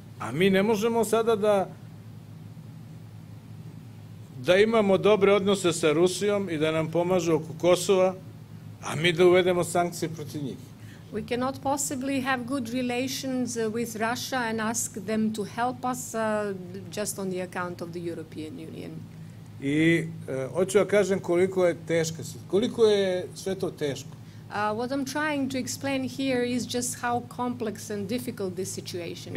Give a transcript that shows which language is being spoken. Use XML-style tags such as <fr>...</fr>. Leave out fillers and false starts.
<sr>A mi ne možemo sada da imamo dobre odnose sa Rusijom i da nam pomažu oko Kosova, a mi da uvedemo sankcije protiv njih.</sr> <en>We cannot possibly have good relations with Russia and ask them to help us just on the account of the European Union.</en> <sr>I hoću da kažem koliko je teška situacija, koliko je sve to teško.</sr> <en>What I'm trying to explain here is just how complex and difficult this situation is.</en>